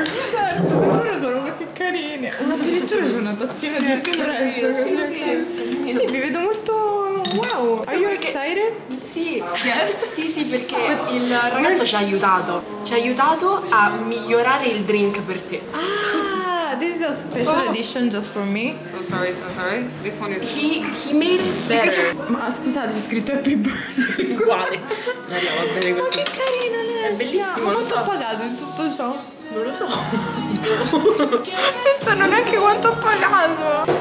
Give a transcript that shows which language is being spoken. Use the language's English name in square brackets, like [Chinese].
[Italian] Certo, loro sono così carine. Ma addirittura c'è una tazzina di espresso. Sì, vi vedo molto... [English] Wow, are you excited? [Italian] Sì, yes. Sì, perché il ragazzo ci ha aiutato. Ci ha aiutato a migliorare il drink per te. [English] Ah, this is a special edition just for me. So sorry. This one is... He made it better. [Italian] Ma scusate, c'è scritto [English] happy birthday. [Italian] quale. No, no, va bene così. Ma che carina lei! È bellissimo. Ma quanto ha pagato in tutto ciò? Non lo so. Non so neanche quanto ho pagato.